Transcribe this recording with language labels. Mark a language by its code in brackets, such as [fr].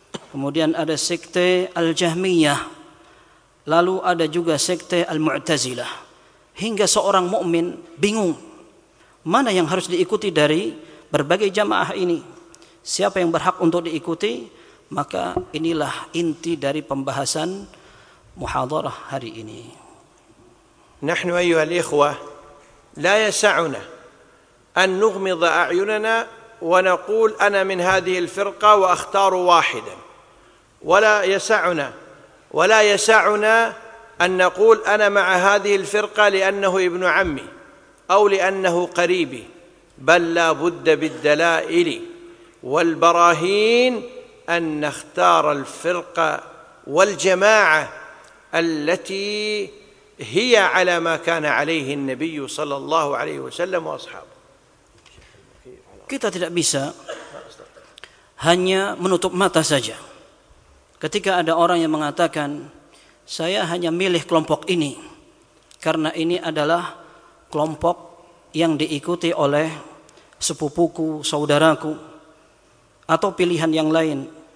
[id] Kemudian ada sekte Al-Jahmiyah. Lalu ada juga sekte Al-Mu'tazilah. Hingga seorang mukmin bingung mana yang harus diikuti dari berbagai jamaah ini. Siapa yang berhak untuk diikuti? Maka inilah inti dari pembahasan muhadarah hari ini. [ar] Nahnu ayyuhal ikhwah la yasa'una an nughmidha a'yunana ونقول أنا من هذه الفرقة وأختار واحدا، ولا يسعنا أن نقول أنا مع هذه الفرقة لأنه ابن عمي أو لأنه قريبي، بل لا بد بالدلائل والبراهين أن نختار الفرقة والجماعة التي هي على ما كان عليه النبي صلى الله عليه وسلم وأصحابه. [id] Kita tidak bisa hanya menutup mata saja. Ketika ada orang yang mengatakan, saya hanya milih kelompok ini karena ini adalah kelompok yang diikuti oleh sepupuku, saudaraku, atau pilihan yang lain.